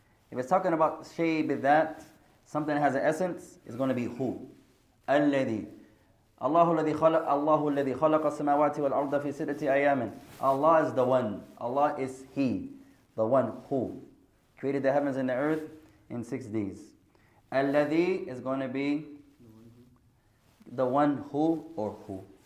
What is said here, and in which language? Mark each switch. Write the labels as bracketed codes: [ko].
[en] If it's talking about [ar] شيء بذات, [en] something that has an essence, it's going to be who. [ar] الَّذِي الله الذي خلق الله الذي خلق السماوات والأرض في ستة أيام. [en] Allah is the one. Allah is He, the one who created the heavens and the earth in 6 days. الذي is going to be the one who or who.